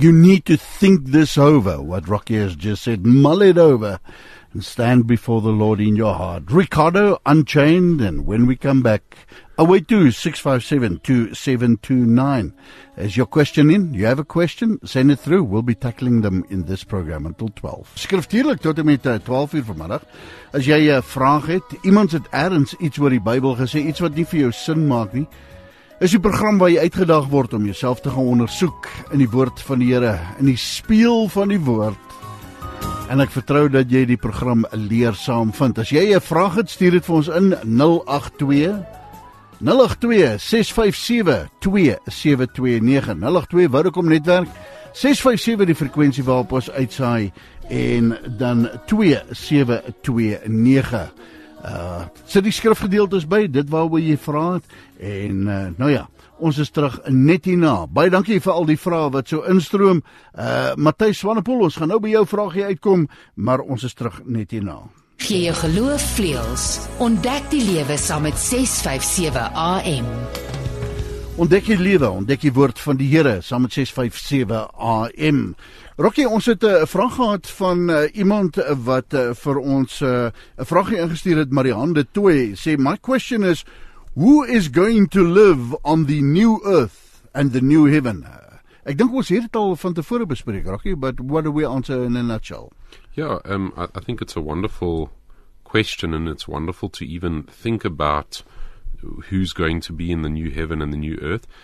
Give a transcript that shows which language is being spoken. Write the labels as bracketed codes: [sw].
[en] You need to think this over, what Rocky has just said. Mull it over and stand before the Lord in your heart. Ricardo, Unchained, and when we come back, 082-657-2729. Is your question in? You have a question? Send it through. We'll be tackling them in this program until 12. [af] Skriftuurlik tot en met 12 uur vanmiddag. As jy 'n vraag het, iemand het ergens iets oor die Bybel gesê, iets wat nie vir jou sin maak nie, is die program waar jy uitgedaag word om jouself te gaan ondersoek in die woord van die Here, in die speel van die woord. En ek vertrou dat jy die program leersaam vind. As jy 'n vraag het, stuur dit vir ons in 082-657-2729. 082 Vodacom Netwerk, 657 die frekwensie waarop ons uitsaai, en dan 2729. Sit die skrifgedeeltes by, dit waarby jy vraag, en nou ja, ons is terug net hierna. Baie dankie vir al die vrae wat so instroom. Matthys Swanepoel, ons gaan nou by jou vraagie uitkom, maar ons is terug net hierna. Gee jou geloof vleuels. Ontdek die lewe saam met 657 AM. Ontdek die lewe, ontdek die woord van die Here saam met 657 AM. Rocky, ons het 'n vraag gehad van iemand wat vir ons 'n vraagie ingestuur het. [en] Marianne de Toy sê, my question is, who is going to live on the new earth and the new heaven? [af] Ek dink ons het dit al van tevore bespreek, Rocky, [en] but what do we answer in a nutshell? Yeah, I think it's a wonderful question, and it's wonderful to even think about who's going to be in the new heaven and the new earth.